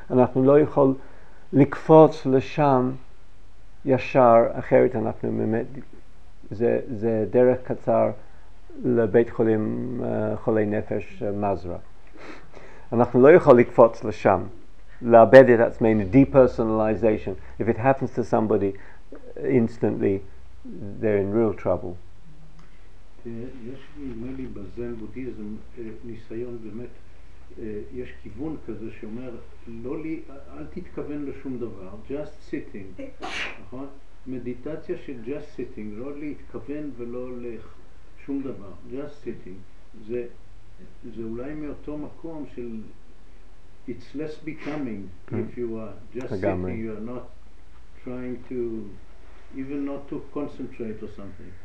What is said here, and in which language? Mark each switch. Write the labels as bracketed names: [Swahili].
[Hebrew] אנחנו לא יכול לקפוץ לשם ישר, אחרת אנחנו באמת, זה דרך קצר לבית חולים חולי נפש מזרה. אנחנו לא יכול לקפוץ לשם, לאבד את עצמנו, depersonalization. [English] If it happens to somebody instantly, they're in real trouble. [Hebrew] יש לי בזן בודיזם ניסיון באמת, יש כיוון כזה שאומר לא לי, אל תתכוון לשום דבר, [English] just sitting, [Hebrew] נכון? מדיטציה של [English] just sitting, [Hebrew] לא להתכוון ולא לשום דבר, [English] just sitting, [Hebrew] זה אולי מאותו מקום של [English] it's less becoming if you are just sitting, you are not trying to even not to concentrate or something.